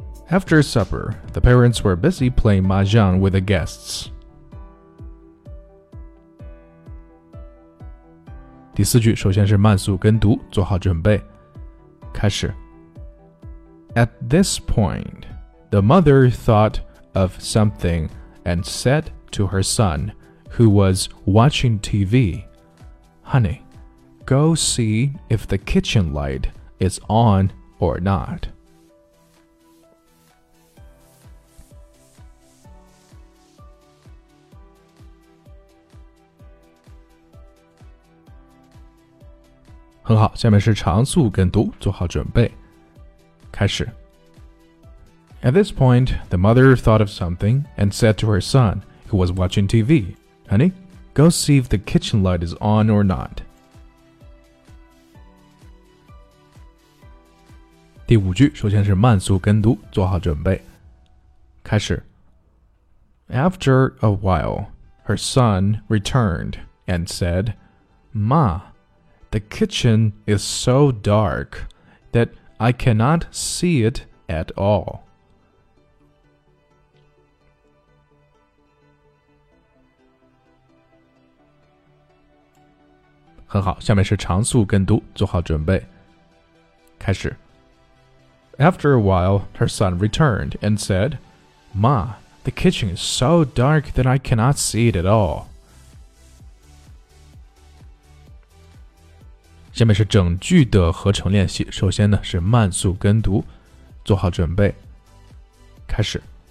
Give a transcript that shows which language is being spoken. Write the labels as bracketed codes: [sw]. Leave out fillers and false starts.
[en] After supper, the parents were busy playing mahjong with the guests. [zh] 第四句，首先是慢速跟读，做好准备。开始。 [en] At this point, the mother thought of something and said to her son, who was watching TV, Honey, go see if the kitchen light is on or not. [zh] 很好，下面是长速跟读，做好准备，开始。 [en] At this point, the mother thought of something and said to her son, who was watching TV, Honey, go see if the kitchen light is on or not. [zh] 第五句，首先是慢速跟读，做好准备，开始。 [en] After a while, her son returned and said, Ma,The kitchen is so dark that I cannot see it at all. [zh] 很好，下面是长速跟读，做好准备，开始。 [en] After a while, her son returned and said, Ma, the kitchen is so dark that I cannot see it at all. [zh] 下面是整句的合成练习，首先呢是慢速跟读，做好准备，开始。